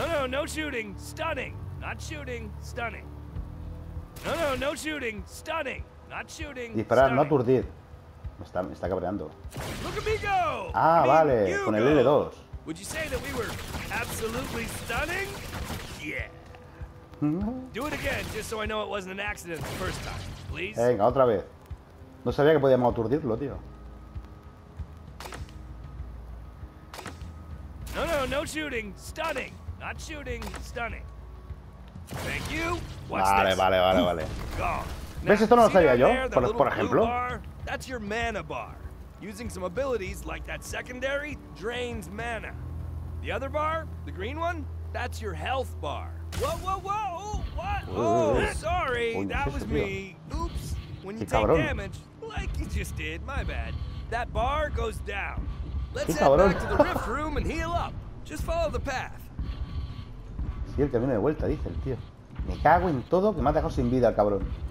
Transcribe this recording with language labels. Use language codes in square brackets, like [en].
[en] No shooting, stunning. Not shooting, stunning. No shooting, stunning. Not shooting, stunning. [es] Disparar, no aturdir. Me está cabreando. [en] Look at me go. [es] Ah, vale, con el L2. [en] Would you say that we were absolutely stunning? Yeah. Do it again, just so I know it wasn't an accident the first time, please. [es] Venga, otra vez. No sabía que podíamos aturdirlo, tío. [en] No shooting, stunning. Not shooting, stunning. Thank you. Watch this. [es] Vale. ¿Ves? Esto no lo sabía yo, por ejemplo. [en] That's your mana bar. Using some abilities like that secondary drains mana. The other bar, the green one, that's your health bar. Whoa! What? Oh, sorry, that was me. Oops. When you take damage, like you just did, my bad. That bar goes down. Let's head back to the rift room and heal up. Just follow the path. [es] Sí, el camino de vuelta, dice el tío. Me cago en todo que me ha dejado sin vida, cabrón.